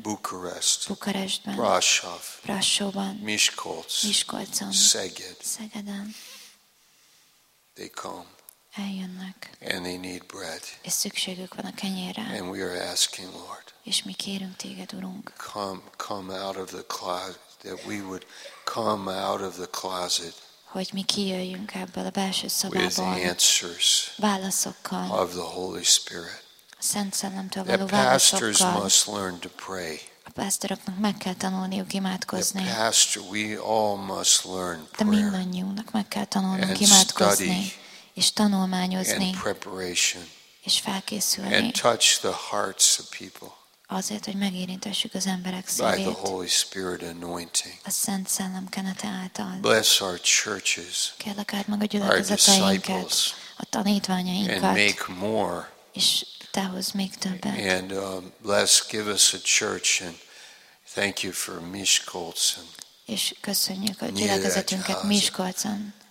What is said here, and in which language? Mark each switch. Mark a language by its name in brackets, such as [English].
[English] Bucharest. [Hungarian] Bukarestben. [English] Brasov. [Hungarian] Brasovban. [English] Miskolc. [Hungarian] Miskolcon. [English] Szeged. [Hungarian] Szegeden. [English] They come. [Hungarian] Eljönnek. [English] And they need bread. [Hungarian] És szükségük van a kenyérre. [English] And we are asking, Lord. [Hungarian] És mi kérünk téged, Urunk. [English] Come out of the closet, that we would come out of the closet. [Hungarian] Hogy mi kijöjjünk ebből a belső szobából. [English] With the answers. [Hungarian] Válaszokkal. [English] Of the Holy Spirit. [Hungarian] A Szent Szellemtől való válaszokkal. [English] Pastors must learn to pray. [Hungarian] A pásztoroknak meg kell tanulniuk imádkozni. [English] The pastor, we all must learn prayer. [Hungarian] De mindannyiunknak meg kell tanulnunk imádkozni. És tanulmányozni. [English] And preparation. [Hungarian] És felkészülni. [English] And touch the hearts of people. [Hungarian] Azért, hogy megérintessük az emberek szívét. [English] By the Holy Spirit anointing. [Hungarian] A Szent Szellem kenete által. [English] Bless our churches. [Hungarian] Kérlek, áld meg a gyülekezeteinket. A tanítványainkat. [English] And make more. [Hungarian] És te hozz még többet. [English] And bless, give us a church and thank you for Miskolc. [Hungarian] És köszönjük a gyülekezetünket Miskolcon.